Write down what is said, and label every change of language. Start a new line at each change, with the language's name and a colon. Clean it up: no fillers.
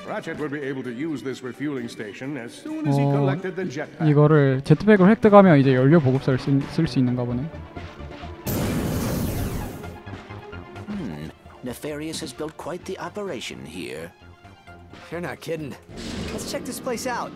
English: Ratchet would be able to use this refueling station as soon as he collected the jetpack.
Korean: 이거를 제트팩을 획득하면 이제 연료 보급사를 쓸 수 있는가 보네.
English: Nefarious has built quite the operation here. You're not kidding. Let's check this place out.